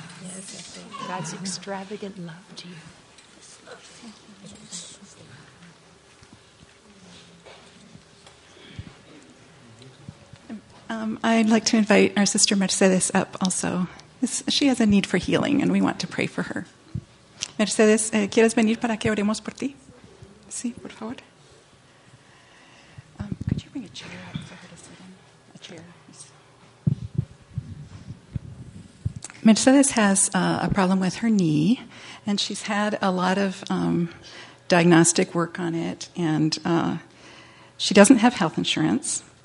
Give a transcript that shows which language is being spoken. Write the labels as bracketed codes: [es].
[en] Yes, Ethel. God's extravagant love to you. I'd like to invite our sister Mercedes up also. She has a need for healing, and we want to pray for her. [es] Mercedes, ¿quieres venir para que oremos por ti? Sí, por favor. [en] Could you bring a chair up for her to sit in? A chair. Mercedes has a problem with her knee, and she's had a lot of diagnostic work on it, and she doesn't have health insurance.